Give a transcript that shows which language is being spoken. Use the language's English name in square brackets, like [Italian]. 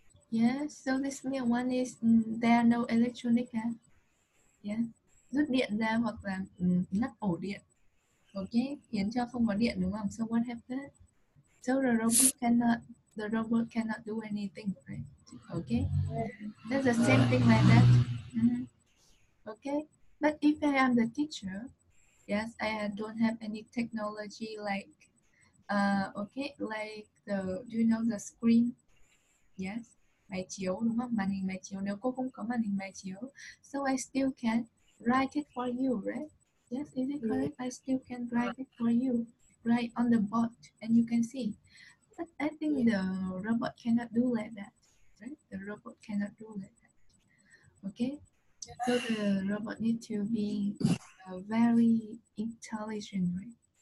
[English] Yeah, so this means one is there are no electronic. Yeah. [Vietnamese] Rút điện ra hoặc là ngắt ổ điện. Okay, khiến cho không có điện đúng không? [English] So what happened? So the robot cannot do anything, right? Okay? That's the same thing like that. Mm-hmm. Okay? But if I am the teacher, yes, I don't have any technology like the screen? [Vietnamese] Yes? Máy chiếu, đúng không? Màn hình máy chiếu. Nếu cô không có màn hình máy chiếu, [English] so I still can write it for you, right? Yes, is it correct? Yeah. I still can write it for you, right on the board, and you can see. But I think the robot cannot do like that, right? The robot cannot do like that, okay? So the robot needs to be very intelligent, right?